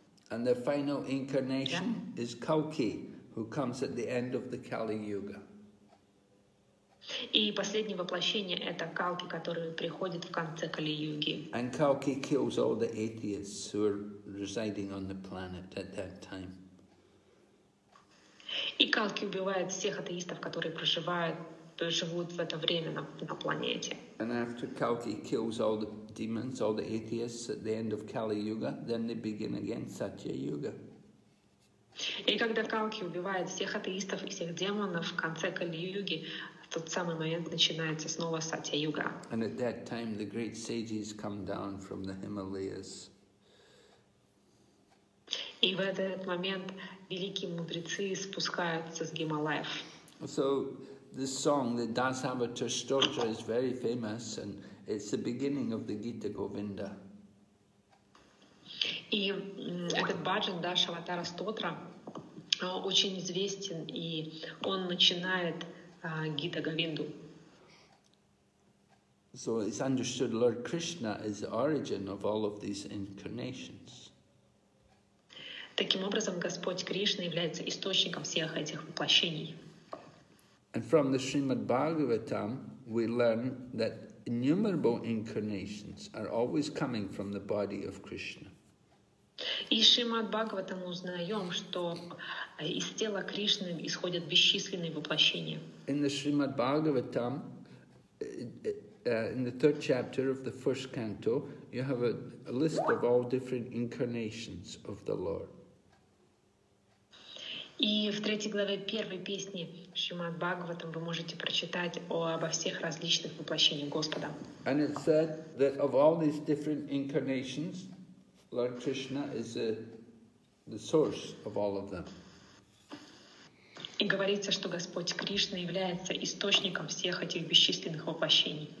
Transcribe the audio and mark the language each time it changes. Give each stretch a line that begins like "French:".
English: And the final incarnation is Kalki, who comes at the end of the Kali-Yuga.
Russian: И последнее воплощение — это Калки, который приходит в конце Кали-Юги.
English: And Kalki kills all the atheists who are residing on the planet at that time.
Russian: И Калки убивает всех атеистов, которые живут в это время на планете.
English: And after Kalki kills all the demons, all the atheists at the end of Kali-Yuga, then they begin again Satya-Yuga.
Russian: И когда Калки убивает всех атеистов и всех демонов в конце Кали-Юги, в тот самый момент начинается снова Сатья-юга.
English: And at that time the great sages come down from the Himalayas.
Russian: И в этот момент великие мудрецы спускаются с Гималаев.
English: So this song, the Dasavatar Stotra, is very famous, and it's the beginning of the Gita Govinda.
Russian: И этот баджан Дасаватара Стотра очень известен, и он начинает Гита Говинду.
English: So it's understood Lord Krishna is the origin of all of these incarnations.
Russian: Таким образом, Господь Кришна является источником всех этих воплощений.
English: And from the Srimad Bhagavatam, we learn that innumerable incarnations are always coming from the body of Krishna.
Russian: И Шримад Бхагаватам узнаем, что из тела Кришны исходят бесчисленные воплощения.
English: In the Srimad Bhagavatam, in the third chapter of the first canto, you have a list of all different incarnations of the Lord.
Russian: И в третьей главе первой песни Шримад Бхагаватам вы можете прочитать обо всех различных воплощениях Господа.
English: And it said that of all these different incarnations, Lord Krishna is the source of all of them.
Russian: И говорится, что Господь Кришна является источником всех этих бесчисленных воплощений.